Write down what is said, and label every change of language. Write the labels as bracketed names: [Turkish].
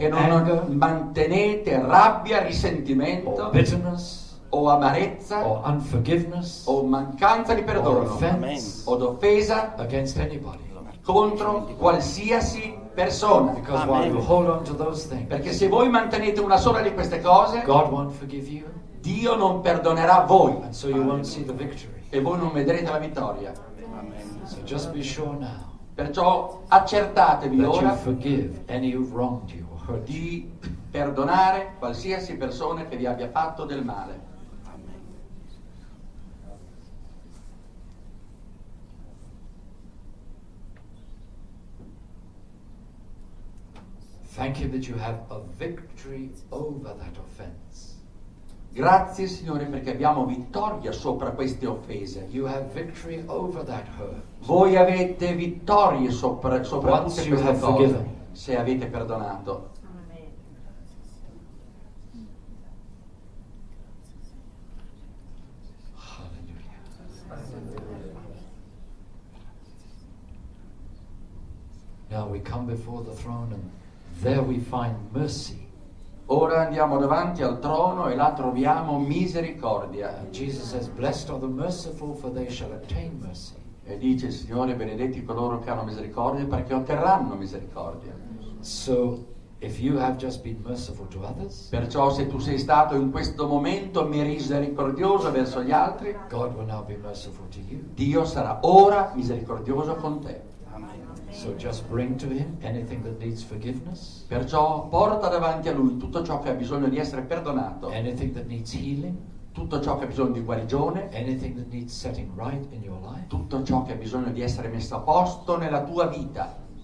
[Italian] che non [English] anger, [Italian] mantenete rabbia, risentimento, [English] or bitterness, [Italian] o amarezza, [English] or unforgiveness, [Italian] o mancanza di perdono, o d'offesa [English] against anybody, [Italian] contro qualsiasi persona. [English] Because while you hold on to those things, [Italian] perché se voi mantenete una sola di queste cose, [English] God won't forgive you, [Italian] Dio non perdonerà voi. [English] And so you won't see the victory. [Italian] E voi non vedrete la vittoria. [English] Amen. So just be sure now, [Italian] perciò accertatevi [English] that [Italian] ora [English] you forgive any who wronged you or hurt [Italian] di perdonare qualsiasi persona che vi abbia fatto del male. [English] Thank you that you have a victory over that offense. [Italian] Grazie Signore perché abbiamo vittoria sopra queste offese. [English] You have victory over that hurt. [Italian] Voi avete vittoria sopra tutte queste cose [English] forgiven. [Italian] Se avete perdonato. [English] Now we come before the throne and there we find mercy. [Italian] Ora andiamo davanti al trono e là troviamo misericordia. [English] And Jesus says, blessed are the merciful for they shall obtain mercy. [Italian] E dice il Signore, benedetti coloro che hanno misericordia perché otterranno misericordia. [English] So if you have just been merciful to others, [Italian] perciò se tu sei stato in questo momento misericordioso verso gli altri, [English] God will now be merciful to you. [Italian] Dio sarà ora misericordioso con te. [English] So just bring to him anything that needs forgiveness. [Italian] Perciò porta davanti a lui tutto ciò che ha bisogno di essere perdonato. [English] Anything that needs healing. [Italian] Tutto ciò che ha bisogno di guarigione. [English] Anything that needs setting right in your life. [Italian] Tutto ciò che ha bisogno di essere messo a posto nella tua vita.